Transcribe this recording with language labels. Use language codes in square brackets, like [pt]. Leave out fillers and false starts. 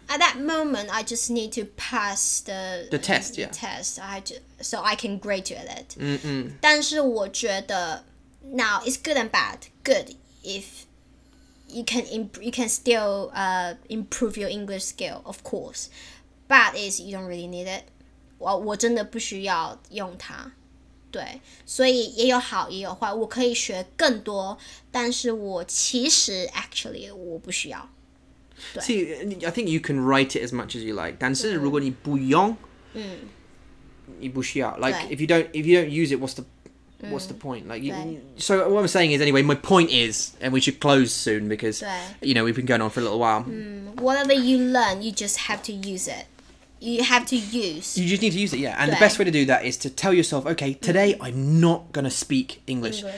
[en] At that moment, I just need to pass the test. Yeah. Test. So I can graduate. 嗯嗯。 [zh] 但是我觉得 [en] now it's good and bad. Good if you can still improve your English skill, of course. Bad is you don't really need it. [zh] 我真的不需要用它，对，所以也有好也有坏。我可以学更多，但是我其实 actually 我不需要。 [en] See, I think you can write it as much as you like. [zh] 但是如果你不用，你不需要。 [en] Like if you don't use it, what's the point? Like, so what I'm saying is, anyway, my point is, and we should close soon because you know we've been going on for a little while. Whatever you learn, you just have to use it. You just need to use it, yeah. And the best way to do that is to tell yourself, okay, today I'm not going to speak English.